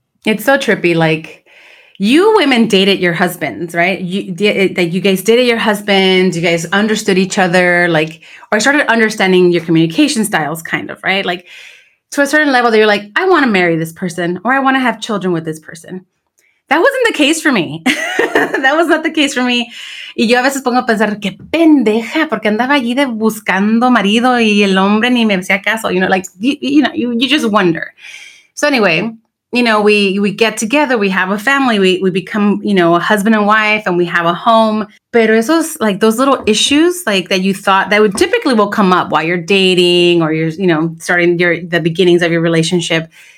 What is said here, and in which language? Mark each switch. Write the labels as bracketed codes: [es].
[en] It's so trippy. Like, you women dated your husbands, right? You guys dated your husbands. You guys understood each other, like, or started understanding your communication styles, kind of, right? Like, to a certain level, that you're like, I want to marry this person, or I want to have children with this person. That wasn't the case for me. That was not the case for me. [es] Y yo a veces pongo a pensar, qué pendeja, porque andaba allí de buscando marido y el hombre ni me hacía caso. [en] You know, like, you just wonder. So anyway, you know, we get together, we have a family, we become, you know, a husband and wife, and we have a home. [es] Pero esos, [en] like, those little issues, like, that you thought that would typically will come up while you're dating or you're, you know, starting the beginnings of your relationship.